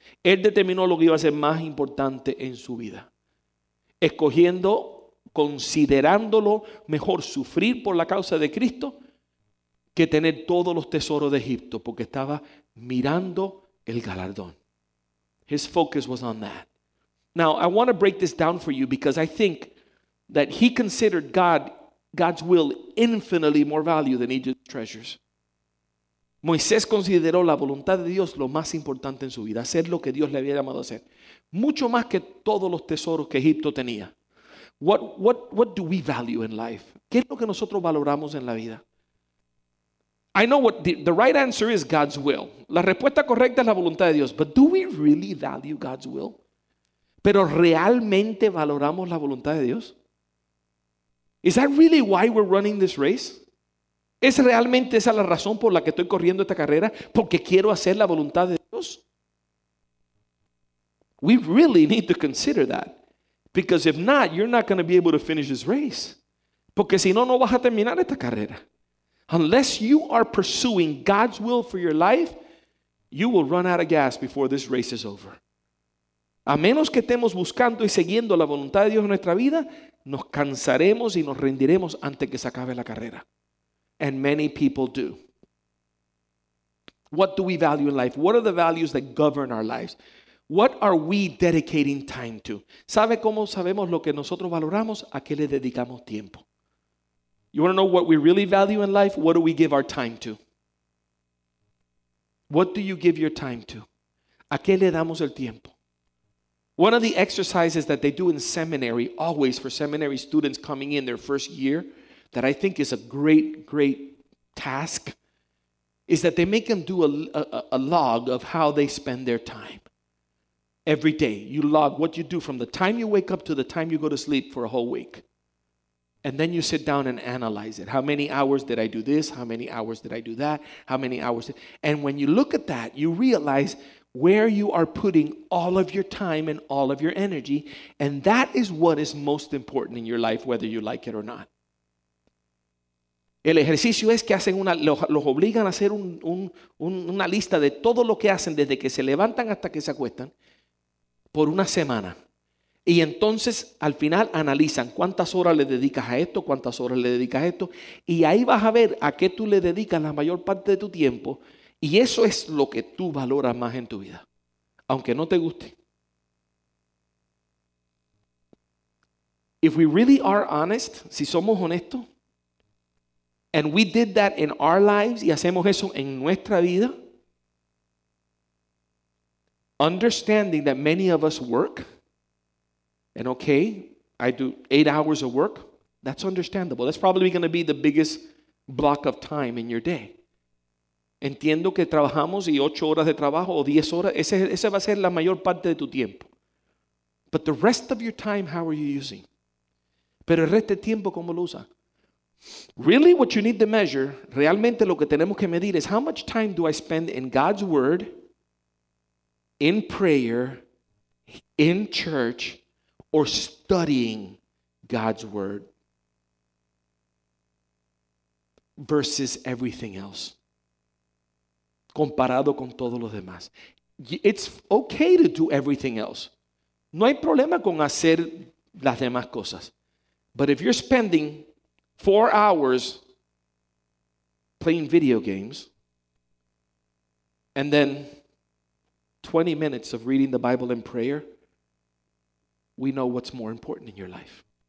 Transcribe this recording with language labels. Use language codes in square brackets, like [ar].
[es] Él determinó lo que iba a ser más importante en su vida. Escogiendo, considerándolo mejor sufrir por la causa de Cristo que tener todos los tesoros de Egipto, porque estaba mirando el galardón. [en] His focus was on that. Now, I want to break this down for you because I think that he considered God's will infinitely more value than Egypt's treasures. [es] Moisés consideró la voluntad de Dios lo más importante en su vida, hacer lo que Dios le había llamado a hacer, mucho más que todos los tesoros que Egipto tenía. [en] What do we value in life? [es] ¿Qué es lo que nosotros valoramos en la vida? [en] I know what the right answer is, God's will. [es] La respuesta correcta es la voluntad de Dios. [en] But do we really value God's will? [es] ¿Pero realmente valoramos la voluntad de Dios? [en] Is that really why we're running this race? [es] ¿Es realmente esa la razón por la que estoy corriendo esta carrera? ¿Porque quiero hacer la voluntad de Dios? [en] We really need to consider that. Because if not, you're not going to be able to finish this race. [es] Porque si no, no vas a terminar esta carrera. [en] Unless you are pursuing God's will for your life, you will run out of gas before this race is over. [es] A menos que estemos buscando y siguiendo la voluntad de Dios en nuestra vida, nos cansaremos y nos rendiremos antes que se acabe la carrera. [en] And many people do. What do we value in life? What are the values that govern our lives? What are we dedicating time to? [es] ¿Sabe cómo sabemos lo que nosotros valoramos? ¿A qué le dedicamos tiempo? [en] You want to know what we really value in life? What do we give our time to? What do you give your time to? [es] ¿A qué le damos el tiempo? [en] One of the exercises that they do in seminary, always for seminary students coming in their first year, that I think is a great, great task, is that they make them do a log of how they spend their time. Every day, you log what you do from the time you wake up to the time you go to sleep for a whole week. And then you sit down and analyze it. How many hours did I do this? How many hours did I do that? How many hours? And when you look at that, you realize where you are putting all of your time and all of your energy. And that is what is most important in your life, whether you like it or not. [es] El ejercicio es que hacen una, los obligan a hacer una lista de todo lo que hacen desde que se levantan hasta que se acuestan por una semana. Y entonces al final analizan cuántas horas le dedicas a esto, cuántas horas le dedicas a esto. Y ahí vas a ver a qué tú le dedicas la mayor parte de tu tiempo. Y eso es lo que tú valoras más en tu vida, aunque no te guste. [en] If we really are honest, [es] si somos honestos, [en] and we did that in our lives, [es] y hacemos eso en nuestra vida, [en] understanding that many of us work, and okay, I do 8 hours of work, that's understandable. That's probably going to be the biggest block of time in your day. [es] Entiendo que trabajamos y 8 horas de trabajo o 10 horas, ese va a ser la mayor parte de tu tiempo. [en] But the rest of your time, how are you using? [es] Pero el resto del tiempo, ¿cómo lo usa? [en] Really, what you need to measure, [es] realmente lo que tenemos que medir es [en] how much time do I spend in God's Word, in prayer, in church, or studying God's Word versus everything else, [es] comparado con todos los demás. [en] It's okay to do everything else. [es] No hay problema con hacer las demás cosas. [en] But if you're spending 4 hours playing video games and then 20 minutes of reading the Bible and prayer, we know what's more important in your life.